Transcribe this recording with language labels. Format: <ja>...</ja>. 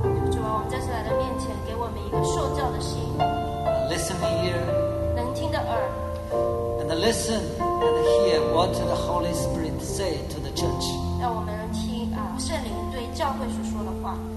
<zh>主啊，我们再次来到面前，给我们一个受教的心。</zh> <en>A listening ear.</en> <zh>能听的耳。</zh> <en>And listen and hear what the Holy Spirit say to the church.</en> <zh>让我们听圣灵对教会所说的话。</zh>